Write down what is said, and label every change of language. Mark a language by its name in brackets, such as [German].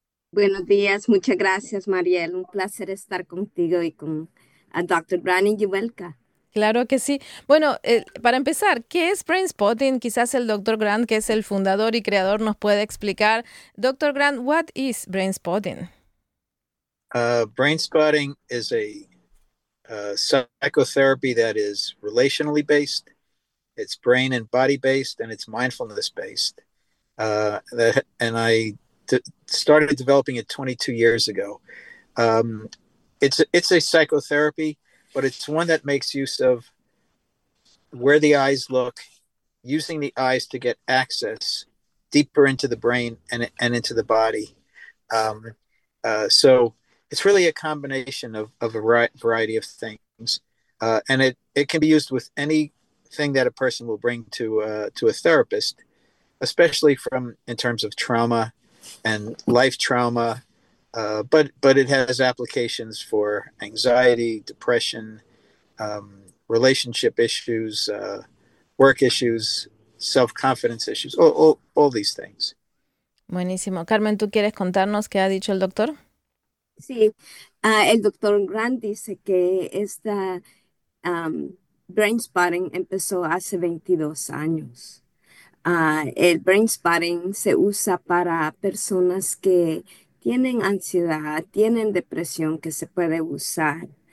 [Spanish] Buenos días, muchas gracias, Mariel. Un placer estar contigo y con a Dr. Grant y Yubelka. Claro que sí. Bueno, para empezar, ¿qué es Brain Spotting? Quizás el Dr. Grant, que es el fundador y creador, nos puede explicar. [English] Dr. Grant, what is Brain Spotting? Brain Spotting is a psychotherapy that is relationally based. It's brain and body based, and it's mindfulness based. And I started developing it 22 years ago. It's a psychotherapy, but it's one that makes use of where the eyes look, using the eyes to get access deeper into the brain and into the body. So it's really a combination of a variety of things. And it can be used with anything that a person will bring to a therapist, especially in terms of trauma, and life trauma, but it has applications for anxiety, depression, relationship issues, work issues, self-confidence issues, all these things. [Spanish] Buenísimo. Carmen, ¿tú quieres contarnos qué ha dicho el doctor? Sí, el doctor Grant dice que esta brain spotting empezó hace 22 años. El brain spotting se usa para personas que tienen ansiedad, tienen depresión, que se puede usar.